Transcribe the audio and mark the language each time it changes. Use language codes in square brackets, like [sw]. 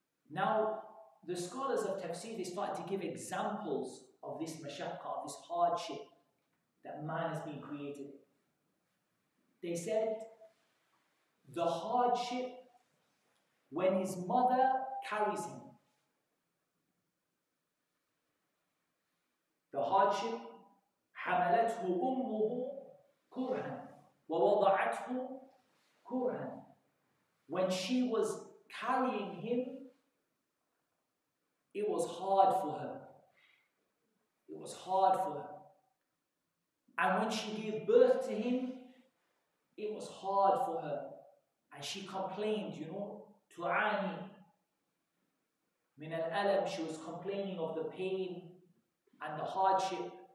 [en] Now, the scholars of tafsir, they started to give examples of this mashaqqa, of this hardship that man has been created. They said the hardship when his mother carries him. The hardship, [ar] حملته أمه كرها ووضعته كرها. [en] When she was carrying him, it was hard for her. It was hard for her. And when she gave birth to him, it was hard for her. And she complained, you know, to Ani. [ar] Min al-alam, [en] she was complaining of the pain and the hardship.